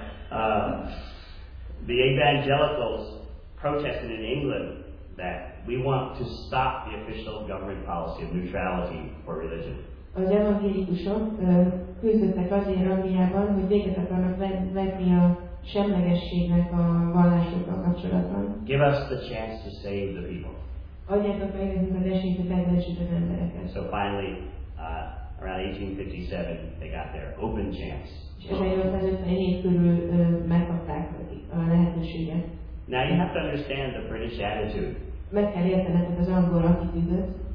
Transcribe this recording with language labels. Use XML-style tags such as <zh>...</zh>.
<en>The evangelicals protested in England that we want to stop the official government policy of neutrality for religion.</en> <hu>Az evangélikusok küzdöttek azért Angliában, hogy véget akarnak vetni a semlegességnek a vallásokkal kapcsolatban.</hu> <en>Give us the chance to save the people.</en> <hu>Adjátok meg nekünk az esélyt, hogy megmentsük az embereket.</hu> <en>So finally, around 1857, they got their open chance.</en> <hu>És 1857 körül megkapták a lehetőséget.</hu> <en>Now you have to understand the British attitude.</en> <hu>Meg kell értenetek az angol attitűdöt.</hu>